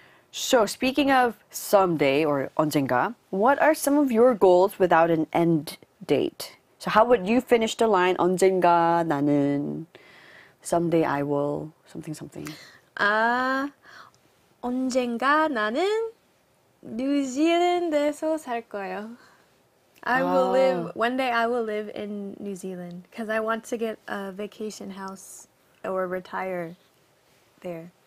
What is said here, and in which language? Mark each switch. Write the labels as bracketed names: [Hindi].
[English] So speaking of someday or [Korean] 언젠가, [English] what are some of your goals without an end date? So how would you finish the line [Korean] 언젠가 나는 [English] someday I will something something? [Korean] 언젠가 나는 뉴질랜드에서 살 거예요. [English] One day I will live in New Zealand because I want to get a vacation house or retire there.